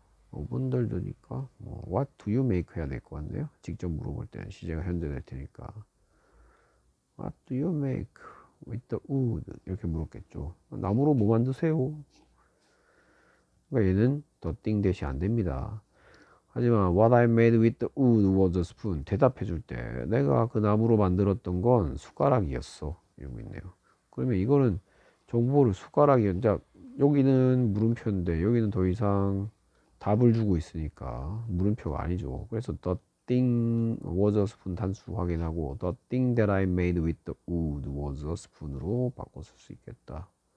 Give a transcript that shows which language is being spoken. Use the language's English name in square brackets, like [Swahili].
[Korean] 어분들도니까 뭐 [English] What do you make [Korean] 해야 될것 같네요. 직접 물어볼 때는 시제가 현재 될 테니까 [English] What do you make with the wood? [Korean] 이렇게 물었겠죠. 나무로 뭐 만드세요? 그러니까 얘는 더띵 대시 안 됩니다. 하지만 [English] what I made with the wood was a spoon. [Korean] 대답해 줄때 내가 그 나무로 만들었던 건 숟가락이었어. 이러고 있네요. 그러면 이거는 정보를 숟가락이 자 여기는 물음표인데 여기는 더 이상 답을 주고 있으니까 물음표가 아니죠. 그래서 [English] the thing was a spoon [Korean] 단수 확인하고 [English] the thing that I made with the wood was a spoon [Korean] 으로 바꿔 쓸수 있겠다.